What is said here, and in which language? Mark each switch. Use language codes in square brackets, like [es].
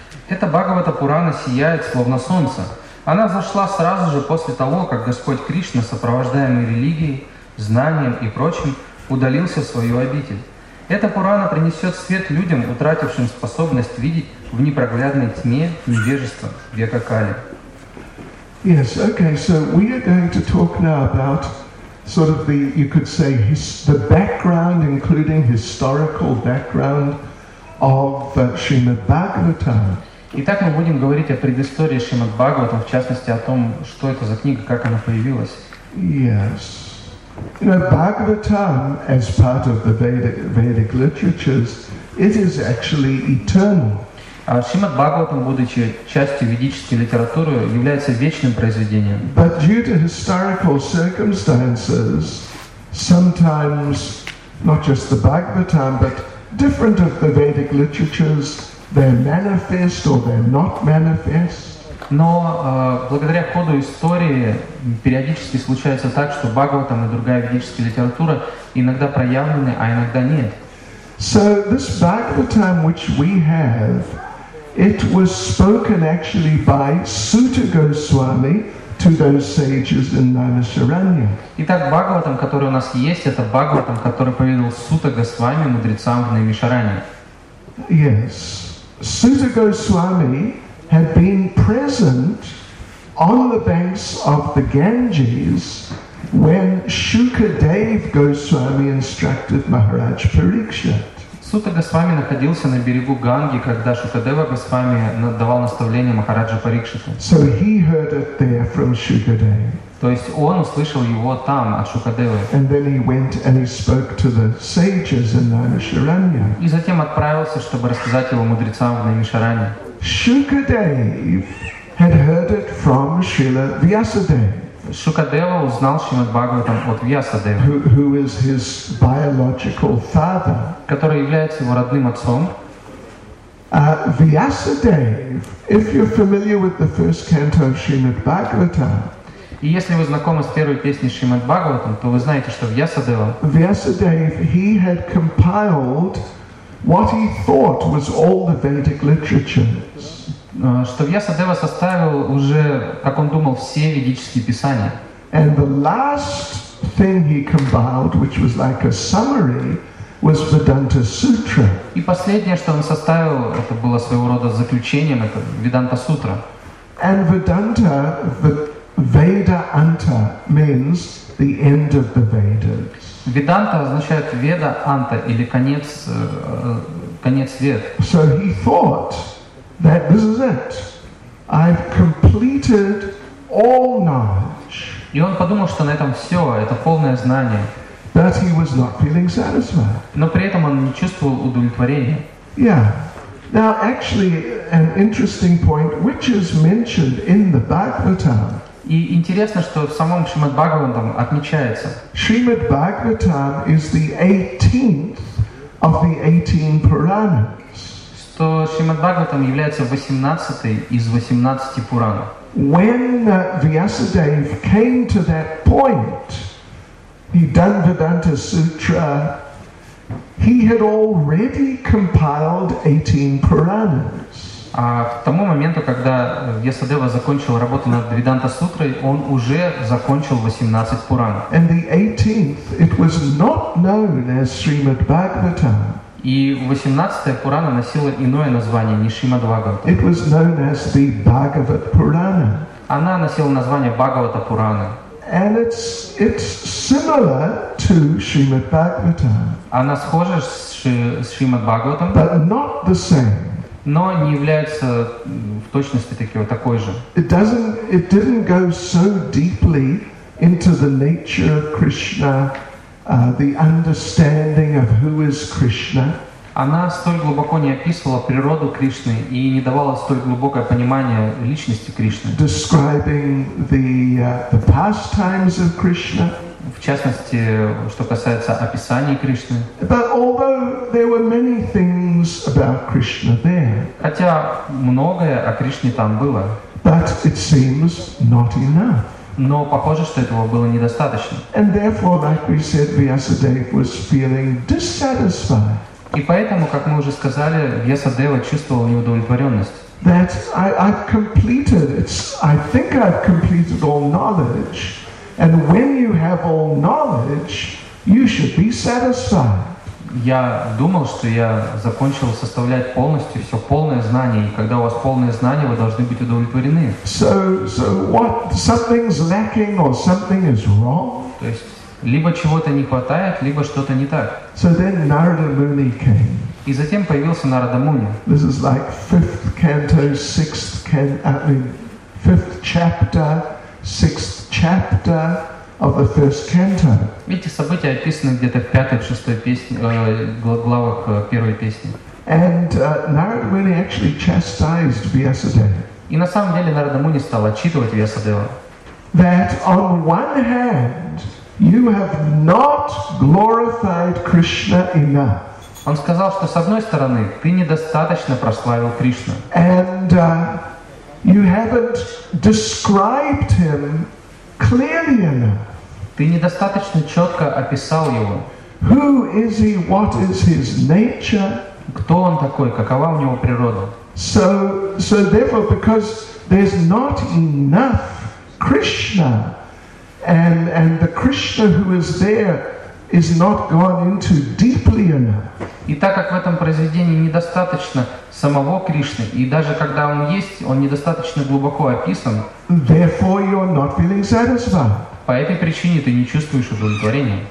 [ru] Эта Бхагавата Пурана сияет, словно солнце. Она зашла сразу же после того, как Господь Кришна, сопровождаемый религией, знанием и прочим, удалился в свою обитель. Эта Пурана принесет свет людям, утратившим способность видеть в непроглядной тьме невежество века Кали. [en] Yes, okay, so we are going to talk now about sort of the, you could say, the background, including historical background of Srimad Bhagavatam. [ru] Итак, мы будем говорить о предыстории Шримад Бхагаватам, в частности, о том, что это за книга, как она появилась. [en] Yes. You know, Bhagavatam, as part of the Vedic literatures, it is actually eternal. [ru] А Шримад Бхагаватам, будучи частью ведической литературы, является вечным произведением. [en] But due to historical circumstances, sometimes, not just the Bhagavatam, but different of the Vedic literatures, they're manifest or they're not manifest. [ru] Но благодаря ходу истории периодически случается так, что Бхагаватам и другая ведическая литература иногда проявлены, а иногда нет. [en] So this Bhagavatam which we have, it was spoken actually by Suta Goswami to those sages in Navasaranya. [ru] Итак, Бхагаватам, который у нас есть, это Бхагаватам, который поведал Сута Госвами мудрецам в Навасаране. [en] Yes. Suta Goswami had been present on the banks of the Ganges when Shukadev Goswami instructed Maharaj Parikshit. [ru] Suta Goswami находился на берегу Ганги, когда Шукадева Госвами давал наставление Махараджа Парикшита. [en] So he heard it there from Shukadev. [ru] То есть он услышал его там, от Шукадевы. [en] And then he went and he spoke to the sages in Navasaranya. [ru] И затем отправился, чтобы рассказать его мудрецам в Навасаране. [en] Shukadev had heard it from Srila Vyasadev. [ru] Shukadeva узнал Шримад Бхагаватам от Вьясадевы, [en] who is his biological father, [ru] который является его родным отцом. [en] Vyasadev, if you're familiar with the first canto of Srimad Bhagavatam, [ru] и если вы знакомы с первой песней Шримад Бхагаватам, то вы знаете, что Вьясадева. [en] Vyasadev, he had compiled what he thought was all the Vedic literature. [ru] Что Вьясадева составил уже, как он думал, все ведические писания. [en] And the last thing he compiled, which was like a summary, was Vedanta Sutra. [ru] И последнее, что он составил, это было своего рода заключением, это Vedanta Sutra. [en] And Vedanta, Veda Anta, means the end of the Vedas. [ru] Vedanta означает Veda Anta, или конец, конец Вед. [en] So he thought that this is it. I've completed all knowledge. [ru] И он подумал, что на этом все, это полное знание. [en] But he was not feeling satisfied. [ru] Но при этом он не чувствовал удовлетворения. [en] Yeah. Now, actually, an interesting point, which is mentioned in the Bhagavatam. [ru] И интересно, что в самом Шримад Бхагаватам отмечается. [en] Шримад Бхагаватам is the 18th of the 18 Puranas. [ru] Что Шримад Бхагаватам является 18-й из 18 Пуран. [en] When Vyasadev came to that point, he done Vedanta Sutra, he had already compiled 18 Puranas. [ru] А к тому моменту, когда Вьясадева закончил работу над Vedanta Sutrai, он уже закончил 18 Пуран. [en] And the 18th, it was not known as Srimad Bhagavatam. [ru] И 18-я Пурана носила иное название, не Шримад Бхагаватам. [en] It was known as the Bhagavat Purana. [ru] Она носила название Бхагавата Пурана. [en] And it's similar to Shrimad Bhagavatam. [ru] Она схожа с Шримад Бхагаватам. [en] But not the same. [ru] Но не является в точности такой же. [en] It didn't go so deeply into the nature of Krishna. The understanding of who is Krishna. [ru] Она столь глубоко не описывала природу Кришны и не давала столь глубокое понимание личности Кришны. [en] Describing the pastimes of Krishna. [ru] В частности, что касается описаний Кришны. [en] But although there were many things about Krishna there. [ru] Хотя многое о Кришне там было. [en] But it seems not enough. [ru] Но похоже, что этого было недостаточно. [en] And therefore, like we said, Vyasadev was feeling dissatisfied. [ru] И поэтому, как мы уже сказали, Вьясадева чувствовал неудовлетворенность. [en] That I've completed it. I think I've completed all knowledge. And when you have all knowledge, you should be satisfied. [ru] Я думал, что я закончил составлять полностью все полное знание, и когда у вас полное знание, вы должны быть удовлетворены. [en] So what? Something's lacking or something is wrong? [ru] То есть либо чего-то не хватает, либо что-то не так. [en] So then Narada Muni came. [ru] И затем появился Нарада Муни. [en] This is like fifth canto, sixth canto, I mean, fifth chapter, sixth chapter. Of the first canto. [ru] Эти события описаны где-то в пятой-шестой песне, главах первой песни. [en] And Narada Muni actually chastised Vyasadeva. [ru] И на самом деле Нарада Муни стал отчитывать Вьясадеву. [en] That on one hand you have not glorified Krishna enough. [ru] Он сказал, что с одной стороны ты недостаточно прославил Кришну. [en] And You haven't described him clearly enough. [ru] Ты недостаточно четко описал его. [en] Who is he? What is his nature? [ru] Кто он такой? Какова у него природа? [en] So therefore, because there's not enough Krishna, and the Krishna who is there is not gone into deeply enough. [ru] И так как в этом произведении недостаточно самого Кришны, и даже когда он есть, он недостаточно глубоко описан. [en] Therefore, you're not feeling satisfied. [ru] По этой причине ты не чувствуешь удовлетворения.